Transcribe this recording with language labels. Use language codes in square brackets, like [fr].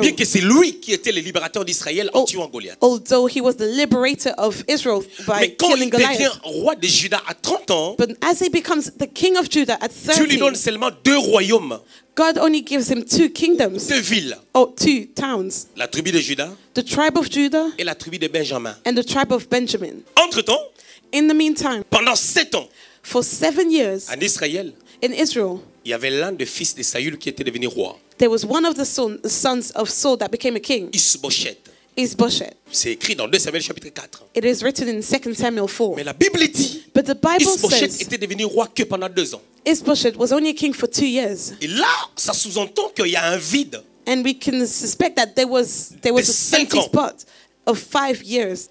[fr] Bien que c'est lui qui était le libérateur d'Israël en tuant Goliath. [en] Although he was the liberator of Israel by killing Goliath. [fr] Mais quand il devient roi de Juda à 30 ans, [en] but as he becomes the king of Judah at 30, [fr] Dieu lui donne seulement deux royaumes. [en] God only gives him two kingdoms. [fr] Deux villes. [en] Oh, two towns. [fr] La tribu de Juda. [en] The tribe of Judah. [fr] Et la tribu de Benjamin. [en] And the tribe of Benjamin. [fr] Entre-temps, [en] in the meantime, [fr] pendant 7 ans, [en] for 7 years, [fr] en Israël, [en] in Israel, [fr] il y avait l'un des fils de Saül qui était devenu roi. [en] There was one of the sons of Saul that became a king. [fr] Isboshet. C'est écrit dans 2 Samuel chapitre 4. [en] It is written in 2 Samuel 4. [fr] Mais la Bible dit. [en] But the Bible says. [fr] Isboshet était devenu roi que pendant 2 ans. [en] Isboshet was only a king for 2 years. [fr] Et là, ça sous-entend qu'il y a un vide. [en] And we can suspect that there was a empty spot of 5 years.